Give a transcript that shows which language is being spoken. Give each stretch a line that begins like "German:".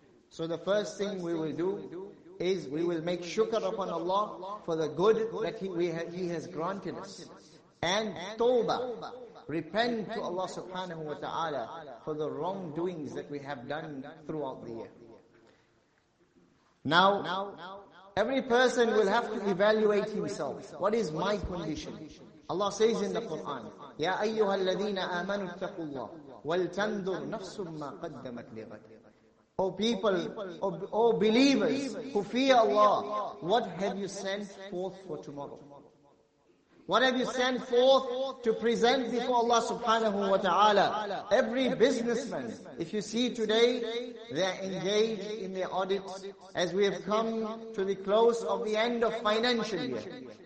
English: So the first thing we will do is we will make shukr upon Allah for the good that He has granted us. And tawbah, repent to Allah subhanahu wa ta'ala for the wrongdoings that we have done throughout the year. Now, every person will have to evaluate himself. What is my condition? Allah says in the Quran,
Arabic: يَا أَيُّهَا الَّذِينَ آمَنُوا اتَّقُوا اللَّهُ وَلْتَنْدُرْ نَفْسٌ مَّا قَدَّمَتْ لِغَدٍ.
English: O people, O believers who fear Allah, what have you sent forth for tomorrow? What have you sent forth to present before Allah subhanahu wa ta'ala? Every businessman, if you see today, they are engaged in their audits as we have come to the close of the end of financial year.